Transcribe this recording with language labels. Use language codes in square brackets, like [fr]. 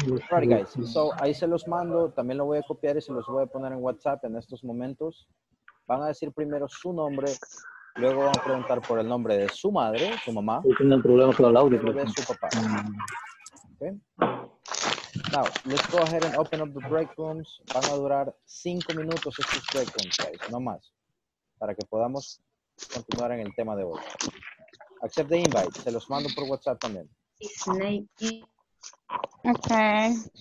[en] Right, guys. So, [es] ahí se los mando. También lo voy a copiar y se los voy a poner en WhatsApp en estos momentos. Van a decir primero su nombre. Luego van a preguntar por el nombre de su madre, su mamá. Tienen un problema con el audio. De su papá. [en] Okay. Now, let's go ahead and open up the break rooms. [es] Van a durar 5 minutos estos break rooms, guys. No más. Para que podamos continuar en el tema de hoy. [en] Accept the invite. [es] Se los mando por WhatsApp también. [en] Okay.